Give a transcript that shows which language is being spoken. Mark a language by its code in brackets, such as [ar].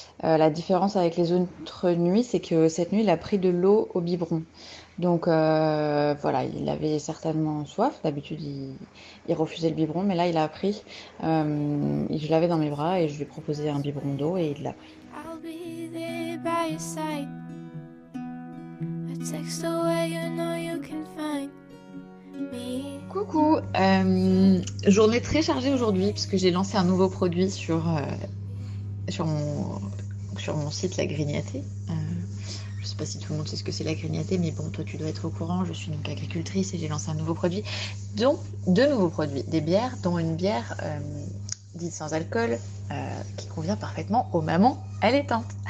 [fr] La différence avec les autres nuits, c'est que cette nuit, il a pris de l'eau au biberon. Donc voilà, il avait certainement soif. D'habitude, il refusait le biberon, mais là, il a pris. Je l'avais dans mes bras et je lui proposais un biberon d'eau et il l'a pris. [en] I'll be there by your side. A text away, you know you can find. [fr] Coucou, journée très chargée aujourd'hui parce que j'ai lancé un nouveau produit sur mon site La Grignatée. Je sais pas si tout le monde sait ce que c'est La Grignatée, mais bon, toi tu dois être au courant. Je suis donc agricultrice et j'ai lancé un nouveau produit, dont deux nouveaux produits, des bières, dont une bière dite sans alcool qui convient parfaitement aux mamans allaitantes.